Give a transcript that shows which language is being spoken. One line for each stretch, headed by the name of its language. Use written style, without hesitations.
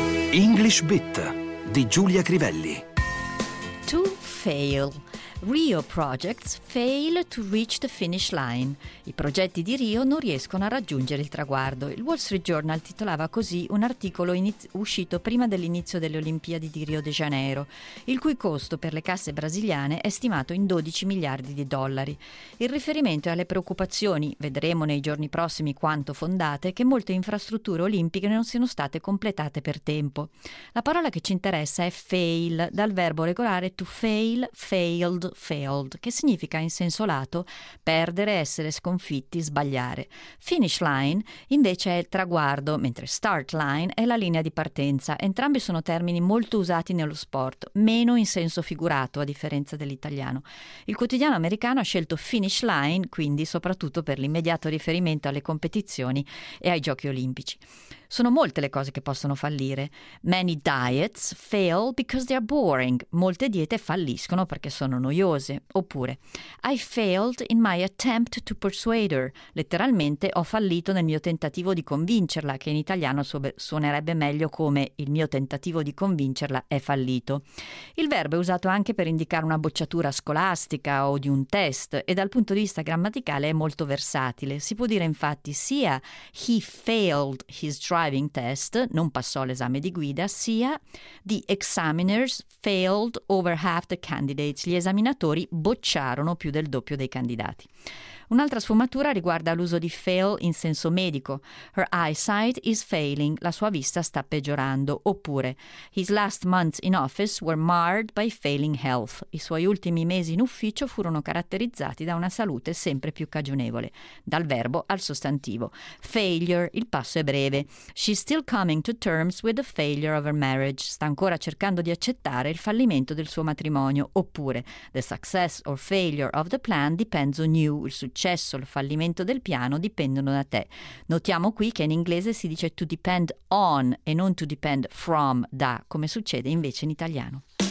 Italian: English Bit di Giulia Crivelli.
English: To fail. Rio projects fail to reach the finish line.
Italian: I progetti di Rio non riescono a raggiungere il traguardo. Il Wall Street Journal titolava così un articolo uscito prima dell'inizio delle Olimpiadi di Rio de Janeiro, il cui costo per le casse brasiliane è stimato in 12 miliardi di dollari. Il riferimento è alle preoccupazioni, vedremo nei giorni prossimi quanto fondate, che molte infrastrutture olimpiche non siano state completate per tempo. La parola che ci interessa è fail, dal verbo regolare to fail, failed. Failed, che significa in senso lato perdere, essere sconfitti, sbagliare. Finish line invece è il traguardo, mentre start line è la linea di partenza. Entrambi sono termini molto usati nello sport, meno in senso figurato a differenza dell'italiano. Il quotidiano americano ha scelto finish line quindi soprattutto per l'immediato riferimento alle competizioni e ai giochi olimpici. Sono molte le cose che possono fallire.
English: Many diets fail because they are boring.
Italian: Molte diete falliscono perché sono noiose. Oppure,
English: I failed in my attempt to persuade her.
Italian: Letteralmente, ho fallito nel mio tentativo di convincerla, che in italiano suonerebbe meglio come il mio tentativo di convincerla è fallito. Il verbo è usato anche per indicare una bocciatura scolastica o di un test e dal punto di vista grammaticale è molto versatile. Si può dire infatti sia
English: he failed his driving test,
Italian: non passò l'esame di guida, sia
English: the examiners failed over half the candidates,
Italian: gli esaminatori bocciarono più del doppio dei candidati. Un'altra sfumatura riguarda l'uso di fail in senso medico.
English: Her eyesight is failing,
Italian: la sua vista sta peggiorando.
English: Oppure, his last months in office were marred by failing health.
Italian: I suoi ultimi mesi in ufficio furono caratterizzati da una salute sempre più cagionevole. Dal verbo al sostantivo. Failure, il passo è breve.
English: She's still coming to terms with the failure of her marriage.
Italian: Sta ancora cercando di accettare il fallimento del suo matrimonio. Oppure,
English: the success or failure of the plan depends on you,
Italian: il successo, il fallimento del piano dipendono da te. Notiamo qui che in inglese si dice to depend on e non to depend from, da, come succede invece in italiano.